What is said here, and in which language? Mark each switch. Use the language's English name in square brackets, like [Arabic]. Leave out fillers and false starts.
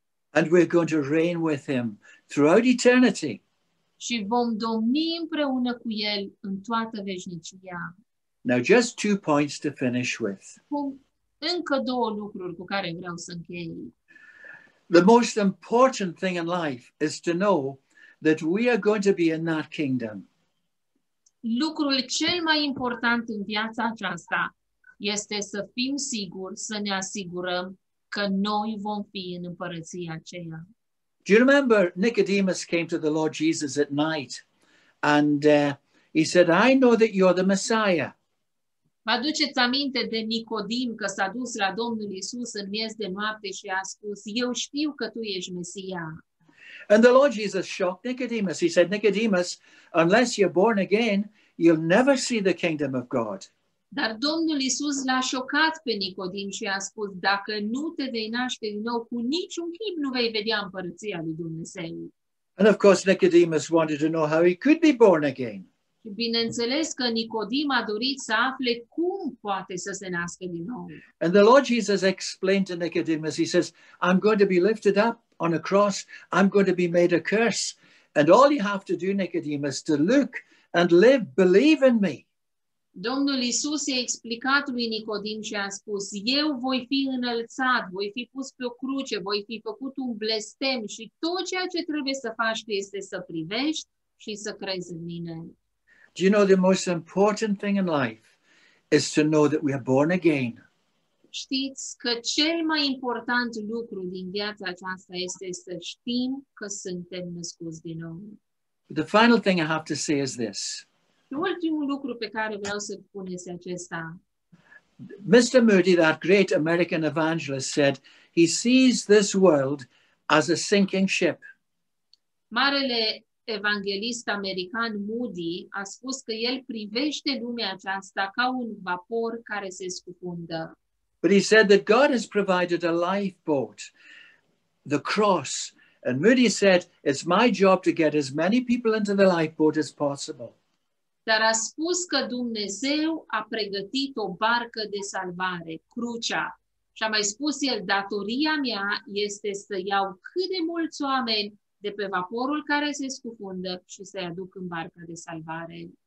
[English] And we're going to reign with him throughout eternity. [Romanian] Și vom domni împreună cu el în toată veșnicia. [English] Now just two points to finish with. [Romanian] Încă două lucruri cu care vreau să închei. [English] The most important thing in life is to know that we are going to be in that kingdom. [Romanian] Lucrul cel mai important în viața aceasta este să fim siguri, să ne asigurăm că noi vom fi în împărăția aceea. [English] Do you remember Nicodemus came to the Lord Jesus at night and he said, I know that you're the Messiah. [Romanian] Vă aduceți aminte de Nicodim că s-a dus la Domnul Iisus în miez de noapte și a spus, eu știu că tu ești Mesia. [English] And the Lord Jesus shocked Nicodemus. He said, Nicodemus, unless you're born again, you'll never see the kingdom of God. [Romanian] Dar Domnul Iisus l-a șocat pe Nicodim și a spus, dacă nu te vei naște din nou, cu niciun chip nu vei vedea împărăția lui Dumnezeu. [English] And of course Nicodemus wanted to know how he could be born again. [Romanian] Și bineînțeles că Nicodim a dorit să afle cum poate să se nască din nou. [English] And the Lord Jesus explained to Nicodemus, he says, I'm going to be lifted up on a cross, I'm going to be made a curse. And all you have to do, Nicodemus, to look and live, believe in me. [Romanian] Domnul Iisus i-a explicat lui Nicodim și a spus, eu voi fi înălțat, voi fi pus pe o cruce, voi fi făcut un blestem și tot ceea ce trebuie să faci este să privești și să crezi în mine. [English] Do you know the most important thing in life is to know that we are born again? [Romanian] Știți că cel mai important lucru din viața aceasta este să știm că suntem născuți din nou. [English] But the final thing I have to say is this. [Romanian] Ultimul lucru pe care vreau să-l spun este acesta. [English] Mr. Moody, that great American evangelist, said he sees this world as a sinking ship. [Romanian] Marele evanghelist american Moody a spus că el privește lumea aceasta ca un vapor care se scufundă. [English] But he said that God has provided a lifeboat, the cross. And Moody said, it's my job to get as many people into the lifeboat as possible. [Romanian] Dar a spus că Dumnezeu a pregătit o barcă de salvare, crucea. Și a mai spus el, datoria mea este să iau cât de mulți oameni de pe vaporul care se scufundă și să-i aduc în barca de salvare.